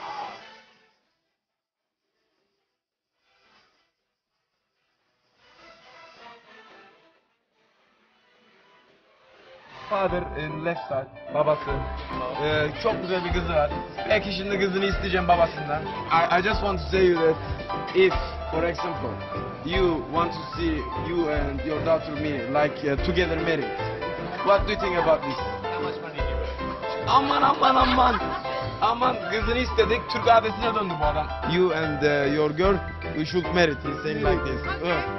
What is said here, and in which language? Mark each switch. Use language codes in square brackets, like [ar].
[tr] Durmuyor. Lan Mete! [en] father in left side, [tr] babası. Çok güzel bir kızı var. Belki şimdi kızını isteyeceğim babasından. [en] I just want to say you that if, for example, you want to see you and your daughter me like together married, what do you think about this? [tr] Aman aman aman. Aman kızını istedik, Türk abisine döndü bu adam. [en] You and your girl, we should marry the same like this.